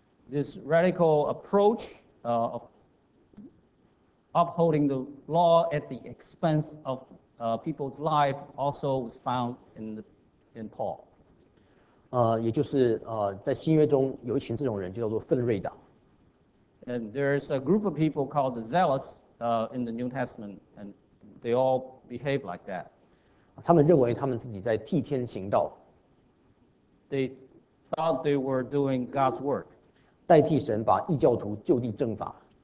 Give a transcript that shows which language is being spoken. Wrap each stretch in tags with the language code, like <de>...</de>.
<en>This radical approach of upholding the law at the expense of people's life also was found in Paul.</en> <zh>也就是在新约中有一群这种人，就叫做分锐党。</zh> <en>And there's a group of people called the zealots in the New Testament, and they all behave like that.</en> <zh>他们认为他们自己在替天行道。</zh> <en>They thought they were doing God's work.</en> <zh>代替神把异教徒就地正法。</zh>